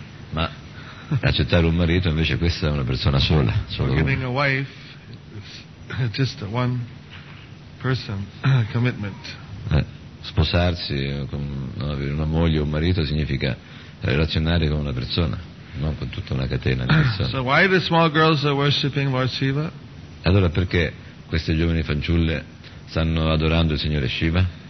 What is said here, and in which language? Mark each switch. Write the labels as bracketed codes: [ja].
[it] Ma accettare un marito, invece, questa è una persona sola. Solo [en] getting [it] una. [en] A wife, it's just a one person commitment. [it] Sposarsi, con, no, avere una moglie o un marito significa relazionare con una persona, non con tutta una catena di persone. [en] So why the small girls are worshiping Lord Shiva? [it] Allora perché queste giovani fanciulle stanno adorando il Signore Shiva?